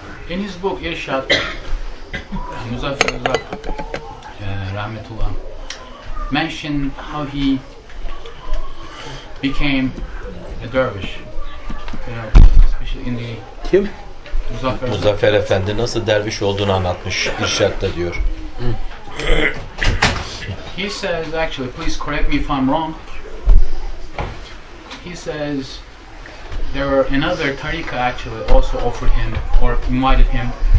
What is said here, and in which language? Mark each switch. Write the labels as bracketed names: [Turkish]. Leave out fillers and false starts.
[English] In his book Irşad, Muzaffer Irşad, rahmetullah, mentioned how he became a dervish. You know, especially in the [Turkish] kim? Muzaffer Efendi nasıl derviş olduğunu anlatmış Irşad'da diyor. [English] He says, actually, please correct me if I'm wrong. He says there were another tariqa actually also offered him or invited him.